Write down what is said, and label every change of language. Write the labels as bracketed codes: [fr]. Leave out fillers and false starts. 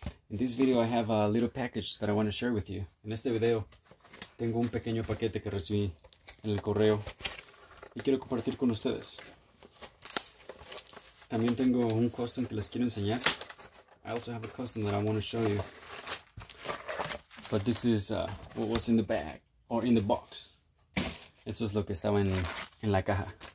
[en] In this video I have a little package that I want to share with you. [es] En este video tengo un pequeño paquete que recibí en el correo y quiero compartir con ustedes. También tengo un custom que les quiero enseñar. [en] I also have a custom that I want to show you. But this is what was in the bag, or in the box. [es] Esto es lo que estaba en la caja.